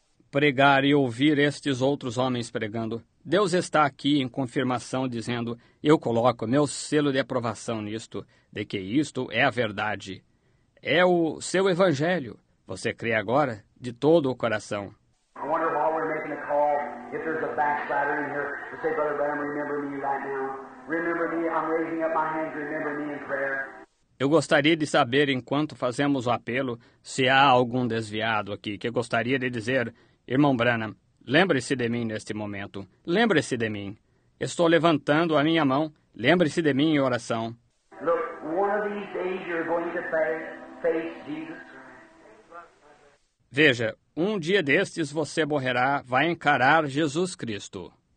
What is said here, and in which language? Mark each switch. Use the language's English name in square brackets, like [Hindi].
[Portuguese] Pregar e ouvir estes outros homens pregando. Deus está aqui em confirmação dizendo, eu coloco meu selo de aprovação nisto, de que isto é a verdade. É o seu evangelho. Você crê agora de todo o coração. [English] I wonder why we're making a call if there's a backslider in here to say, Brother Branham, remember me right now. Remember me, I'm raising up my hands, remember me in prayer. [Portuguese] Eu gostaria de saber, enquanto fazemos o apelo, se há algum desviado aqui que gostaria de dizer, Irmão Branham, lembre-se de mim neste momento. Lembre-se de mim. Estou levantando a minha mão. Lembre-se de mim em oração. [English] Look, one of these days you're going to face Jesus. [Portuguese] Veja, um dia destes você morrerá, vai encarar Jesus Cristo.